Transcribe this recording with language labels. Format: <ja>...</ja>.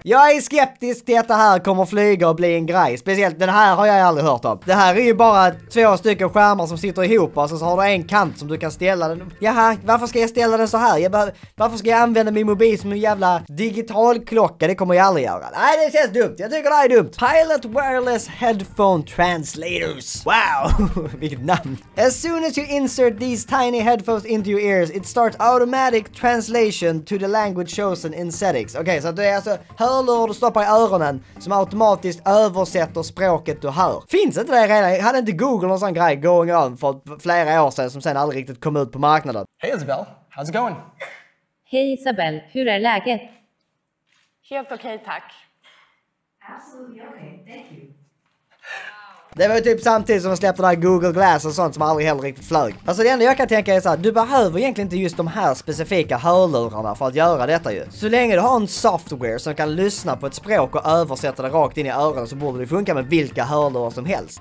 <sv>Jag är skeptisk till att det här kommer flyga och bli en grej. Speciellt den här har jag aldrig hört om. Det här är ju bara två stycken skärmar som sitter ihop, och så har du en kant som du kan ställa den. Jaha, varför ska jag ställa den så här? Varför ska jag använda min mobil som en jävla digital klocka, det kommer jag aldrig göra. Nej, det känns dumt. Jag tycker det är dumt.</sv> <en>Pilot Wireless Headphone Translators.</en> <sv>Wow, vilket namn.</sv> <en>As soon as you insert these tiny headphones into your ears, it starts automatic translation to the language chosen in settings.</en> <sv>Okej, okay, så det är alltså hörlurar du stoppar i öronen som automatiskt översätter språket du hör. Finns inte det redan? Hade inte Google någon sån grej</sv> <en>going on</en> <sv>för flera år sedan som sen aldrig riktigt kom ut på marknaden?</sv> <en>Hey Isabel, how's it going?</en> <sv>Hej Isabel, hur är läget? Helt okej, tack.</sv> <en>Absolutely okay, thank you.</en> <sv>Det var ju typ samtidigt som de släppte där Google Glass och sånt som aldrig heller riktigt flög. Alltså det enda jag kan tänka är såhär, du behöver egentligen inte just de här specifika hörlurarna för att göra detta ju. Så länge du har en software som kan lyssna på ett språk och översätta det rakt in i öronen, så borde det funka med vilka hörlurar som helst.</sv>